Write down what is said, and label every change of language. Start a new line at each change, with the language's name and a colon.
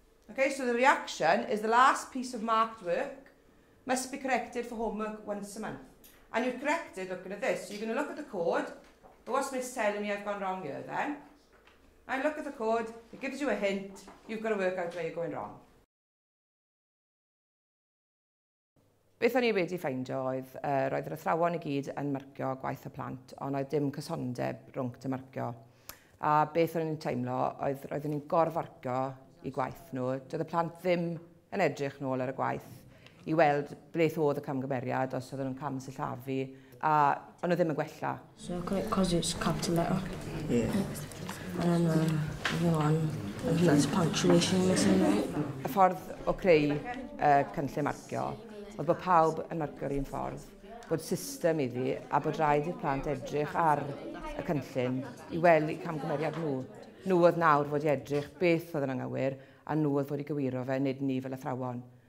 English: Okay, so the reaction is the last piece of marked work must be corrected for homework once a month. And you've corrected looking at this. So you're going to look at the code. But what's Miss telling me I've gone wrong here then? I look at the code, it gives you a hint. You've got to work out where you're going wrong.
Welsh: Beth o'n i wedi ffeindio oedd, roedd yr athrawon i gyd yn marcio gwaith y plant, ond oedd dim cysondeb rhwngt y marcio. A beth o'n i'n teimlo oedd roeddwn ni'n gorfarcio i gwaith nhw. Doedd y plant ddim yn edrych nôl ar y gwaith i weld beth oedd y camgymeriad os oedden nhw'n cam sillafu. A ond nhw ddim yn gwella.
English: So, because it's capital letter. Yeah. And then, that's punctuation missing, right?
Welsh: Y ffordd o creu cynllun marcio oedd bod pawb yn marcio'r un ffordd, bod system iddi a bod rhaid i'r plant edrych ar y cynllun i weld eu camgymeriad nhw. Nhw oedd nawr fod i edrych beth oedd yn anghywir a nhw oedd fod i gywiro fe, nid ni fel athrawon.